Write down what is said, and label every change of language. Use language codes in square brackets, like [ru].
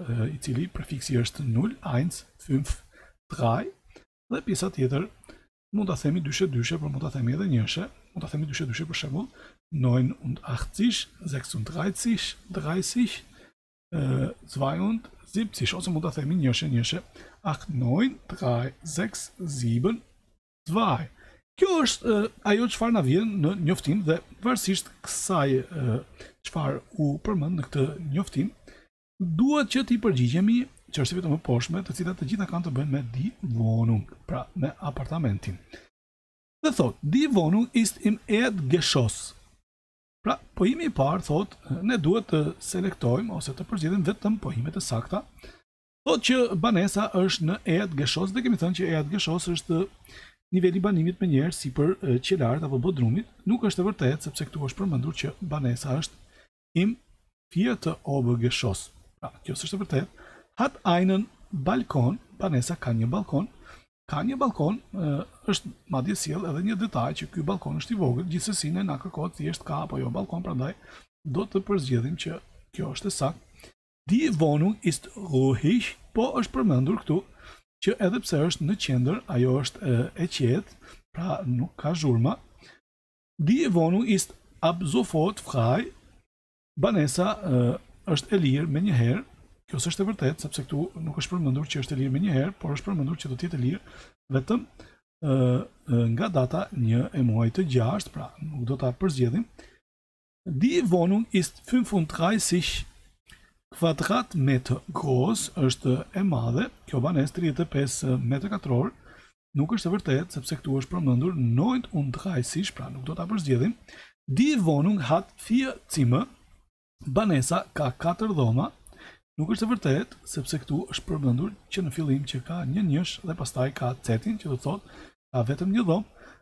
[sq] i cili prefiksi është 0153, dhe pjesa tjetër mund ta themi 222, por mund ta themi edhe njëshe, mund ta themi 222 për shembull 89 36 30 72, ose mund ta themi njëshe 8 9 3 6 7 2. Kjo është ajo çfarë na vjen në njoftim, dhe varësisht kësaj çfarë u përmend në këtë njoftim, duhet që t'i përgjigjemi çështjeve të mposhtme, të cilat të gjitha kanë të bëjnë me [de] di Wohnung, [sq] pra me apartamentin. Dhe thotë, [de] di Wohnung ist im Erdgeschoss. [sq] Pra, pohimi i parë thotë, ne duhet të selektojmë ose të përgjigjemi vetëm pohimet e sakta. Thotë që banesa është në Erdgeschoss, dhe kemi thënë që Erdgeschoss është niveli banimit me njerë si për qelart apo bodrumit. Nuk është e vërtet, sepse këtu është përmendur që banesa është [de] im vierte Obergeschoss. [sq] Pra, kjo është e vërtet. [de] Hat einen Balkon, [sq] banesa ka një balkon, ka një balkon, është madje sjell edhe një detaj që ky balkon është i vogël, gjithsesi në anë kohë thjesht ka apo jo balkon, prandaj do të përzgjedhim që kjo është e saktë. [de] Die Wohnung ist ruhig, [sq] po është përmendur këtu që edhe pse është në qendër, ajo është e qetë, pra nuk ka zhurma. [de] Die Wohnung ist ab sofort frei. [sq] Banesa është e lirë me njëherë. Kjo s'është e vërtetë, sepse këtu nuk është përmendur që është e lirë me njëherë, por është përmendur që do të jetë e lirë vetëm nga data 1 e muajit të 6, pra nuk do ta përzgjedhim. [de] Die Wohnung ist 35 Quadratmeter groß, [sq] është e madhe. Kjo banesë 35 metra katror. Nuk është e vërtetë, sepse këtu është përmendur 39, pra nuk do ta përzgjedhim. [de] Die Wohnung hat 4 Zimmer. [sq] Banesa ka 4 dhoma. Nuk është e vërtet, sepse këtu është përmendur që në fillim që ka një njësh dhe pastaj ka cetin që do të thotë ka vetëm një dhomë.